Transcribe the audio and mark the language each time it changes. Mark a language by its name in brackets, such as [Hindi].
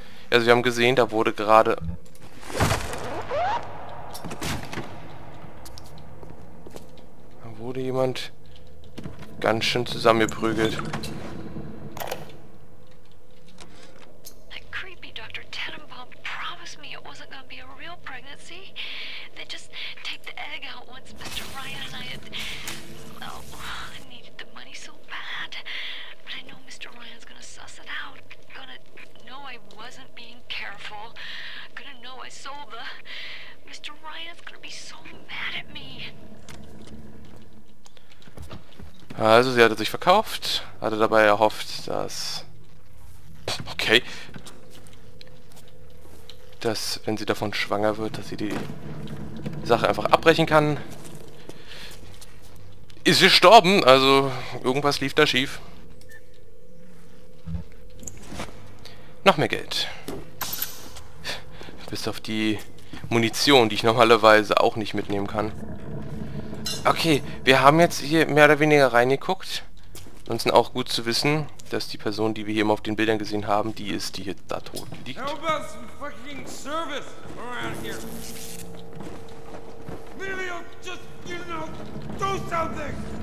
[German] Also wir haben gesehen, da wurde gerade... Wurde jemand ganz schön zusammengeprügelt. [English] That creepy Dr. Tenenbaum promised me it wasn't gonna be a real pregnancy. They just take the egg out once Mr. Ryan and I had... Well, I needed the money so bad. But I know Mr. Ryan's gonna suss it out. Gonna know I wasn't being careful. Gonna know I sold the... Mr. Ryan's gonna be so mad at me. [German] Also, sie hatte sich verkauft, hatte dabei erhofft, dass... Okay. Dass, wenn sie davon schwanger wird, dass sie die Sache einfach abbrechen kann. Ist gestorben, also irgendwas lief da schief. Noch mehr Geld. Bis auf die Munition, die ich normalerweise auch nicht mitnehmen kann. Okay, wir haben jetzt hier mehr oder weniger reingeguckt. Uns ist auch gut zu wissen, dass die Person, die wir hier immer auf den Bildern gesehen haben, die ist, die hier da tot liegt. [English] How about some fucking service around here? Maybe I'll just, you know, do something.